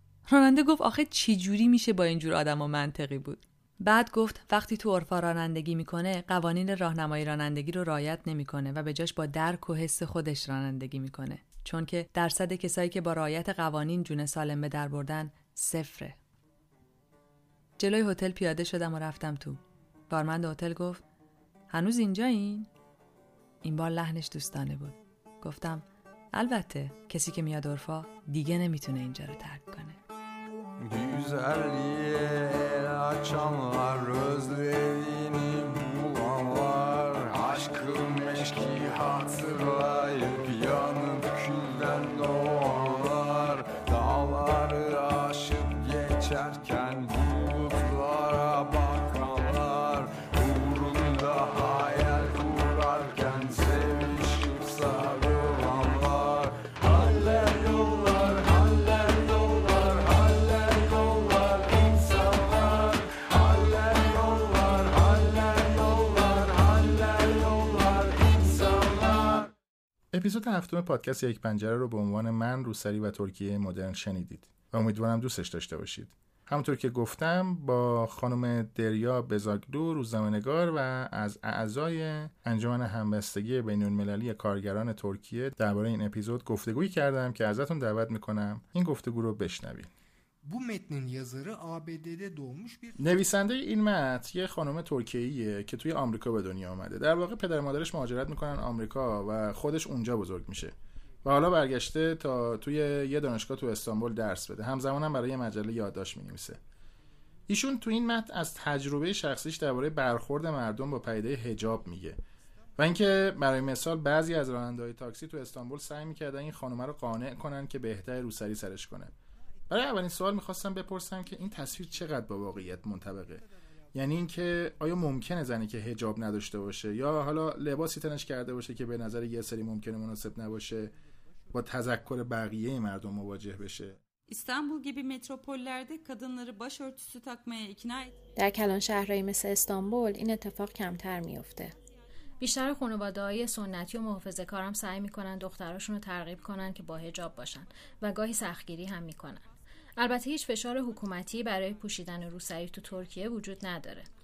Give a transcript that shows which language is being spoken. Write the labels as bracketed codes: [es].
[fa] راننده گفت آخه چه جوری میشه با این جور آدمو منطقی بود؟ بعد گفت وقتی تو عرفا رانندگی میکنه، قوانین راهنمایی رانندگی رو رعایت نمیکنه و به جاش با درک و حس خودش رانندگی میکنه، چون که درصد کسایی که با رعایت قوانین جون سالم به در بردن صفره. جلوی هتل پیاده شدم و رفتم تو. بارمند هتل گفت هنوز اینجا این؟ این بار لحنش دوستانه بود. گفتم البته کسی که میاد عرفا دیگه نمیتونه اینجا رو ترک کنه. [tr] Güzelliğe açanlar özlediğini bulanlar aşkın meşki hatırlayıp yanıp külden doğanlar dağları aşıp geçerken bulutlara bakanlar uğrunda hayal kurarken sevişip sarılanlar haller yollar. [fa] اپیزود هفتم پادکست یک پنجره رو به عنوان من روسری و ترکیه مدرن شنیدید و امیدوارم دوستش داشته باشید. همونطور که گفتم با خانم دریا بزاگلو روزنامه‌نگار و از اعضای انجمن همبستگی بین‌المللی کارگران ترکیه درباره این اپیزود گفتگویی کردم که ازتون دعوت میکنم این گفتگو رو بشنوید. [tr] Bu metnin yazarı ABD'de doğmuş bir... [fa] نویسنده این متن یه خانم ترکیه‌ایه که توی آمریکا به دنیا اومده. در واقع پدر مادرش مهاجرت میکنن آمریکا و خودش اونجا بزرگ میشه و حالا برگشته تا توی یه دانشگاه تو استانبول درس بده. همزمان هم برای مجله یادداشت مینویسه. ایشون توی این متن از تجربه شخصیش درباره برخورد مردم با پدیده حجاب میگه و اینکه برای مثال بعضی از راننده‌های تاکسی تو استانبول سعی می‌کردن این خانم رو قانع کنن که بهتر روسری سرش کنه. برای اولین سوال میخواستم بپرسم که این تصویر چقدر با واقعیت منطبقه؟ یعنی این که آیا ممکنه زنی که حجاب نداشته باشه یا حالا لباسی تنش کرده باشه که به نظر یه سری ممکنه مناسب نباشه با تذکر بقیه مردم مواجه بشه؟ [tr] استانبول gibi metropollerde kadınları başörtüsü takmaya ikna et. [fa] در کلان شهرهایی مثل استانبول این اتفاق کمتر میفته. بیشتر خانواده‌های سنتی و محافظه‌کار هم سعی می‌کنن دختراشون رو ترغیب کنن که با حجاب باشن و گاهی سختگیری هم می‌کنن. البته هیچ فشار حکومتی برای پوشیدن روسری تو ترکیه وجود نداره.